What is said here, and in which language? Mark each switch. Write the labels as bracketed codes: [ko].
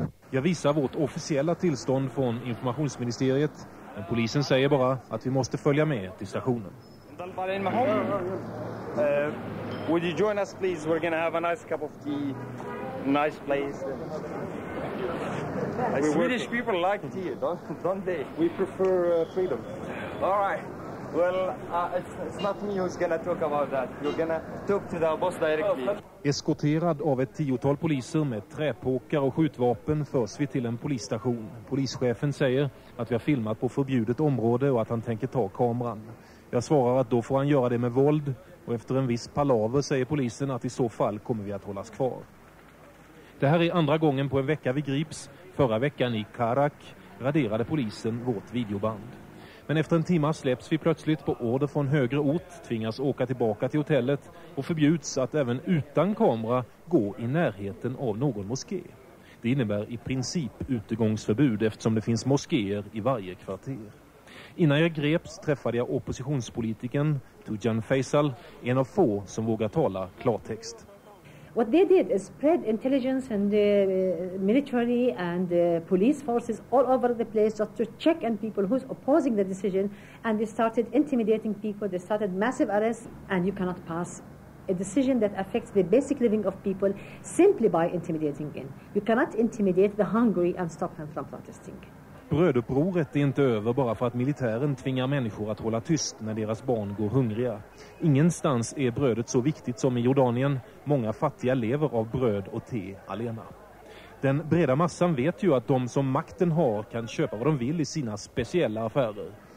[sv] Jag visar vårt officiella tillstånd från informationsministeriet. Men polisen säger bara att vi måste följa med till stationen. [en] Would you join us please? We're gonna have a nice cup of tea. Nice place. Swedish people like tea, don't they? We prefer freedom. All right. Well, it's not me who's gonna talk about that. You're gonna talk to the boss directly. [sv] Eskorterad av ett tiotal poliser med träpåkar och skjutvapen förs vi till en polisstation. Polischefen säger att vi har filmat på förbjudet område och att han tänker ta kameran. Jag svarar att då får han göra det med våld och efter en viss palaver säger polisen att i så fall kommer vi att hållas kvar. Det här är andra gången på en vecka vi grips. Förra veckan i Karak raderade polisen vårt videoband. Men efter en timme släpps vi plötsligt på order från högre ort, tvingas åka tillbaka till hotellet och förbjuds att även utan kamera gå i närheten av någon moské. Det innebär i princip utegångsförbud eftersom det finns moskéer i varje kvarter. Innan jag greps träffade jag oppositionspolitiken Tujan Faisal, en av få som vågar tala klartext. [en] What they did is spread intelligence and military and police forces all over the place just to check on people who's opposing the decision, and they started intimidating people, they started massive arrests, and you cannot pass a decision that affects the basic living of people simply by intimidating them. You cannot intimidate the hungry and stop them from protesting. [sv] Brödupproret är inte över bara för att militären tvingar människor att hålla tyst när deras barn går hungriga. Ingenstans är brödet så viktigt som i Jordanien. Många fattiga lever av bröd och te alena. Den breda massan vet ju att de som makten har kan köpa vad de vill i sina speciella affärer.